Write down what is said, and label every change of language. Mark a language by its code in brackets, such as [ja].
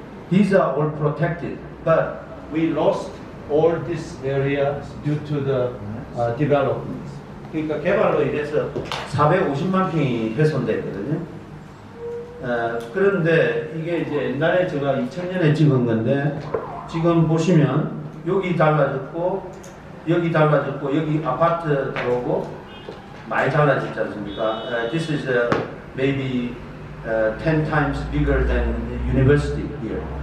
[en] These are all protected, but we lost all this area due to the development. [ko] 그러니까 개발로 인해서 450만 평이 훼손됐거든요. 그런데 이게 이제 옛날에 제가 2000년에 찍은 건데 지금 보시면 여기 달라졌고 여기 달라졌고 여기 아파트 들어오고 많이 달라졌지 않습니까? [en] This is maybe 10 times bigger than university here.